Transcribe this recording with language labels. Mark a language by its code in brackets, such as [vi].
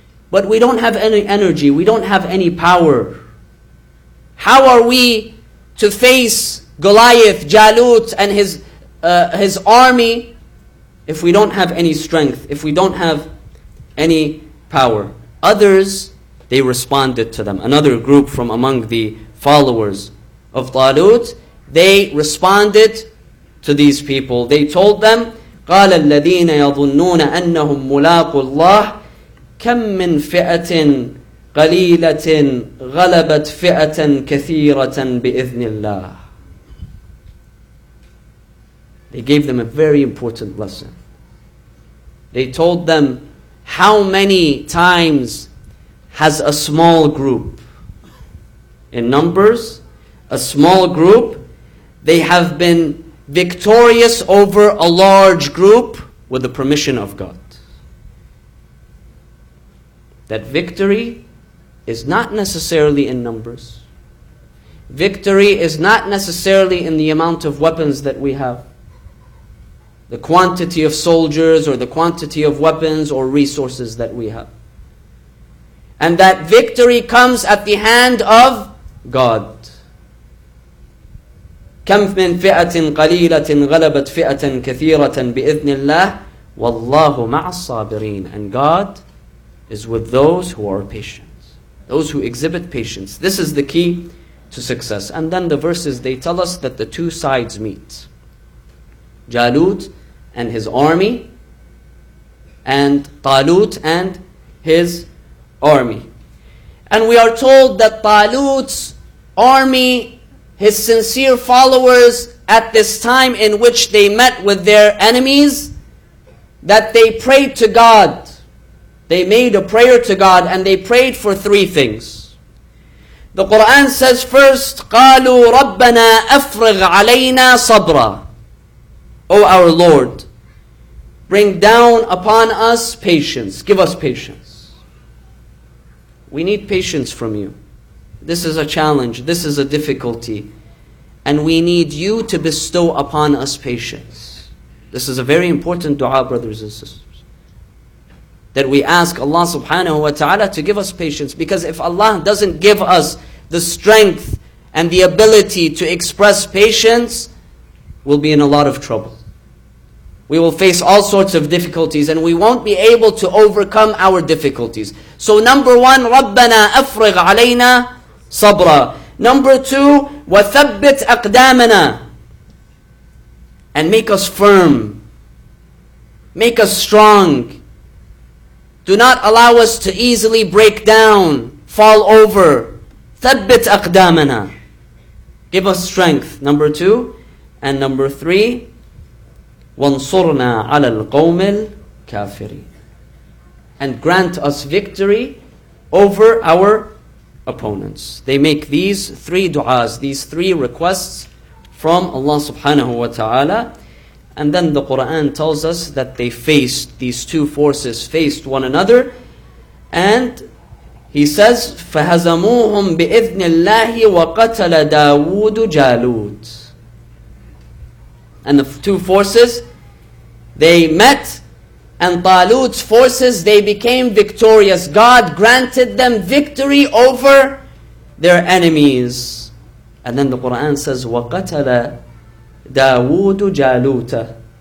[en] But we don't have any energy. We don't have any power. How are we to face Goliath, Jalut, and his army if we don't have any strength, if we don't have any power? Others, they responded to them. Another group from among the followers of Talut, they responded to these people. They told them, [ar] قال الذين يظنون أنهم ملاقوا الله كم من فئة قليلة غلبت فئة كثيرة بإذن الله. [en] They gave them a very important lesson. They told them, how many times has a small group in numbers, a small group, they have been victorious over a large group with the permission of God. That victory is not necessarily in numbers. Victory is not necessarily in the amount of weapons that we have, the quantity of soldiers or the quantity of weapons or resources that we have. And that victory comes at the hand of God. [ar] كم من فئة قليلة غلبت فئة كثيرة بإذن الله والله مع الصابرين. [en] And God is with those who are patient, those who exhibit patience. This is the key to success. And then the verses, they tell us that the two sides meet. Jalut and his army, and Talut and his army. And we are told that Talut's army, his sincere followers, at this time in which they met with their enemies, that they prayed to God. They made a prayer to God, and they prayed for three things. The Quran says first, [ar] قَالُوا رَبَّنَا أَفْرِغْ عَلَيْنَا صَبْرًا. [en] O our Lord, bring down upon us patience. Give us patience. We need patience from you. This is a challenge. This is a difficulty. And we need you to bestow upon us patience. This is a very important dua, brothers and sisters. That we ask Allah subhanahu wa ta'ala to give us patience. Because if Allah doesn't give us the strength and the ability to express patience, we'll be in a lot of trouble. We will face all sorts of difficulties, and we won't be able to overcome our difficulties. So number one, [ar] رَبَّنَا أَفْرِغْ عَلَيْنَا صَبْرًا. [en] Number two, [ar] وَثَبِّتْ أَقْدَامَنَا. [en] And make us firm. Make us strong. Do not allow us to easily break down, fall over. [ar] ثَبِّتْ أَقْدَامَنَا. [en] Give us strength, number two. And number three, [ar] وَانْصُرْنَا عَلَى الْقَوْمِ الْكَافِرِينَ. [en] And grant us victory over our opponents. They make these three du'as, these three requests from Allah subhanahu wa ta'ala. And then the Quran tells us that they faced, these two forces faced one another. And he says, [ar] فَهَزَمُوهُمْ بِإِذْنِ اللَّهِ وَقَتَلَ دَاوُودُ جَالُوتُ. [en] And the two forces, they met, and Talut's forces, they became victorious. God granted them victory over their enemies. And then the Quran says, [ar] وَقَتَلَ دَاوُودُ جَالُوتَ.